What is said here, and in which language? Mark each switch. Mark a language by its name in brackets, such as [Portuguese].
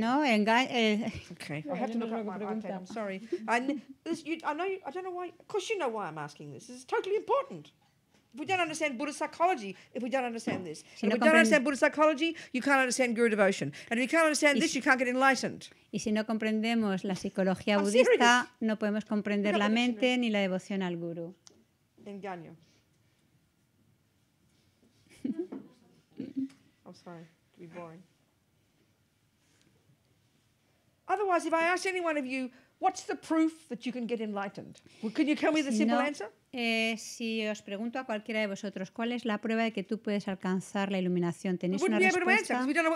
[English] No, and guy. Okay, I have to look up my iPad. I'm sorry. I don't know why. Of course, you know why I'm asking this. This is totally important. If we don't understand Buddhist psychology, if we don't understand this, [Spanish] si [English] if [Spanish] no [English] we don't understand Buddhist psychology, you can't understand guru devotion. And if you can't understand this, you can't get enlightened. [Spanish] Y si no comprendemos la psicología budista, no podemos comprender la mente ni la devoción al guru. Engaño. [English] I'm sorry. To be boring. Otherwise, if I ask any one of you, what's the proof that you can get enlightened? Well, can you tell me the simple answer? [Spanish] Si os pregunto a cualquiera de vosotros, ¿cuál es la prueba de que tú puedes alcanzar la iluminación? ¿Tenéis una respuesta?